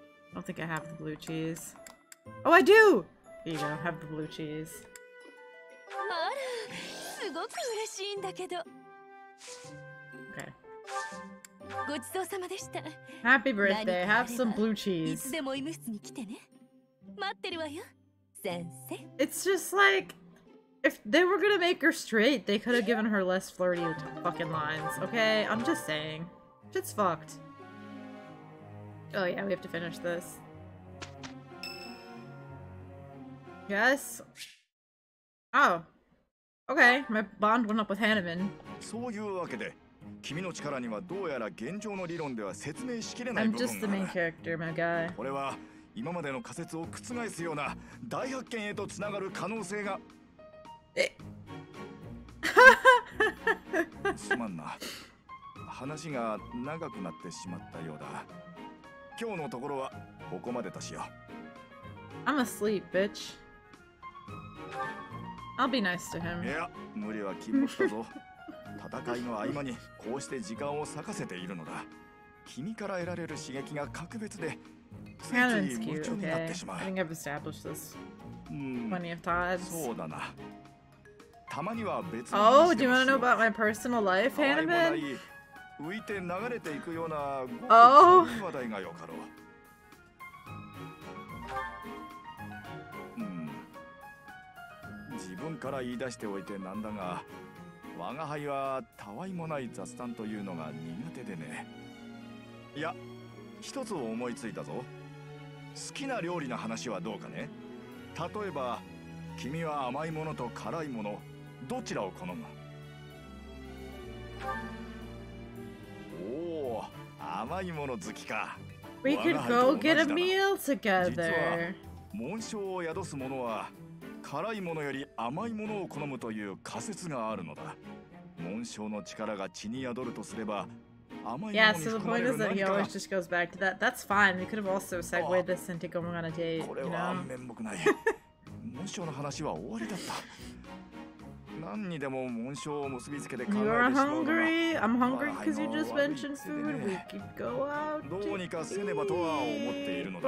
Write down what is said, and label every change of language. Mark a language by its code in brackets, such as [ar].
[en] I don't think I have the blue cheese. Oh, I do! Here you go, have the blue cheese. [ja] る。すごく嬉しいんだけど。ごちそうさまでした。 [en] Happy birthday. Have some blue cheese. [ja] いつでも医務室に来てね。待ってるわよ、先生。 [en] It's just like, if they were gonna make her straight, they could have given her less flirty fucking lines. Okay, I'm just saying. Shit's fucked. Oh yeah, we have to finish this. Yes? Oh. Okay, my bond went up with Hanuman. [ja] そういうわけで。君の力にはどうやら現状の理論では説明しきれない部分がある。 [en] I'm just the main character, my guy. [ja] これは今までの仮説を覆すような大発見へとつながる可能性が。え。すまんな。話が長くなってしまったようだ。今日のところはここまでとしよう。 [en] I'm asleep, bitch. I'll be nice to him. [ja] いや、無理は禁物だぞ。戦いの合間にこうして時間を割かせているのだ。君から得られる刺激が格別で、ついつい夢中になってしまう。 [en] Okay. I think I've established this plenty of times. [ja] そうだな。たまには別の話でもしよう。 [en] Oh, do you want to know about my personal life, Hanuman? [ja] 浮いて流れていくようなごくそういう話題がよかろう。自分から言い出しておいてなんだが、我が輩はたわいもない雑談というのが苦手でね。いや、一つ思いついたぞ。好きな料理の話はどうかね。例えば、君は甘いものと辛いもの、どちらを好む？おお、甘いもの好きか。 [en] We could go get a meal together. [ja] 実は、紋章を宿す者は辛いものより甘いものを好むという仮説があるのだ。紋章の力が血に宿るとすれば、甘いものに含まれる何か。 [en] Yeah, so the point is that he always just goes back to that. That's fine. We could have also segued this into going on a date, you know? [ja] これは面目ない。紋章の話は終わりだった。何にでも紋章を結びつけて考えてしまうのは。 [en] You're hungry? I'm hungry because you just mentioned food. We could go out to eat. [ja] どうにかせねばとは思っているのだ